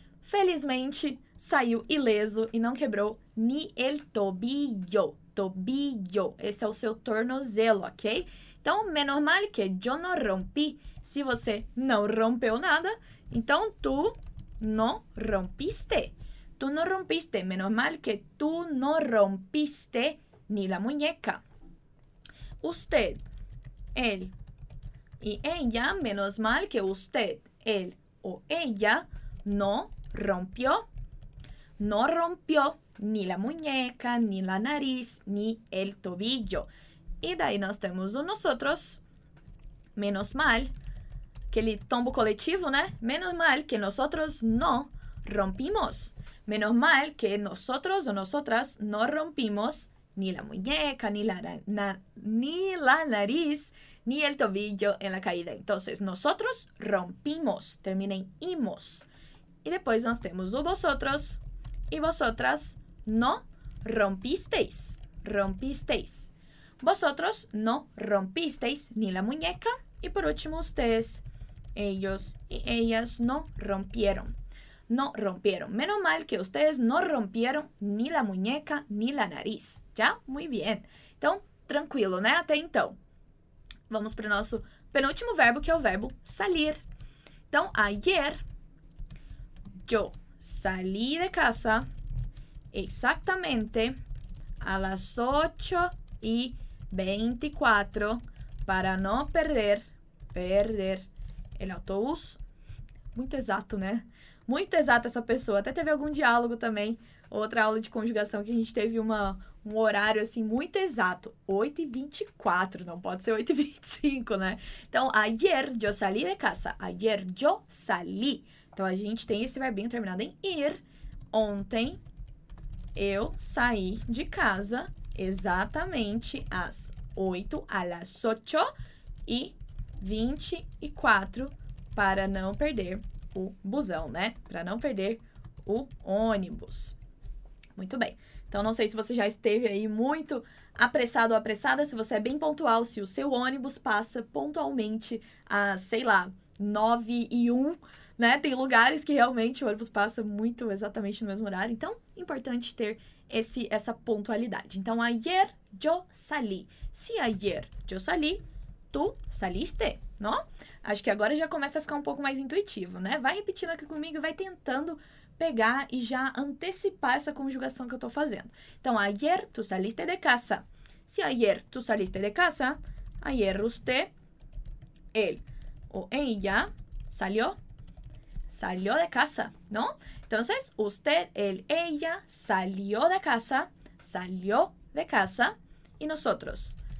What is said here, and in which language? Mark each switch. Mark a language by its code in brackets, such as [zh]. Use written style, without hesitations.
[pt] felizmente, saiu ileso e não quebrou [es] ni el tobillo. [pt] Tobillo. Esse é o seu tornozelo, ok? Então, [es] menos mal que yo no rompí. [pt] Se você não rompeu nada, então [es] tu no rompiste. Tu no rompiste. Menos mal que tu no rompiste ni la muñeca. Usted, él y ella. Menos mal que usted, él o ella no rompió, no rompió ni la muñeca, ni la nariz, ni el tobillo. Y de ahí nos tenemos nosotros, menos mal, aquel tombo colectivo, ¿no? Menos mal que nosotros no rompimos. Menos mal que nosotros o nosotras no rompimos ni la muñeca, ni la nariz, ni el tobillo en la caída. Entonces, nosotros rompimos, termina en imos. [pt] E depois nós temos o vosotros e vosotras [es] no rompisteis. Rompisteis. Vosotros no rompisteis ni la muñeca. [pt] E por último, [es] ustedes, ellos y ellas no rompieron. No rompieron. Menos mal que ustedes no rompieron ni la muñeca ni la nariz. [pt] Já? [es] Muy bien. [pt] Então, tranquilo, né? Até então. Vamos para o nosso penúltimo verbo, que é o verbo salir. [es] Então, ayer... yo salí de casa exactamente a las 8:24 para no perder el autobús. [pt] Muito exato, né? Muito exato essa pessoa. Até teve algum diálogo também, outra aula de conjugação que a gente teve um horário assim muito exato. 8:24, não pode ser 8:25, né? [es] Então, ayer yo salí de casa. Ayer yo salí. [pt] Então, a gente tem esse verbinho terminado em ir. Ontem, eu saí de casa exatamente às 8, a las 8:24, para não perder o busão, né? Para não perder o ônibus. Muito bem. Então, não sei se você já esteve aí muito apressado ou apressada, se você é bem pontual, se o seu ônibus passa pontualmente às, sei lá, 9:01, né? Tem lugares que realmente o ônibus passa muito exatamente no mesmo horário. Então, importante ter essa pontualidade. [es] Então, ayer yo salí. Si ayer yo salí, tú saliste, ¿no? [pt] Acho que agora já começa a ficar um pouco mais intuitivo, né? Vai repetindo aqui comigo e vai tentando pegar e já antecipar essa conjugação que eu tô fazendo. [es] Então, ayer tú saliste de casa. Si ayer tú saliste de casa, ayer usted, él o ella salió. salió de casa, ¿no? Entonces, usted, él, ella, salió de casa, salió de casa, y nosotros.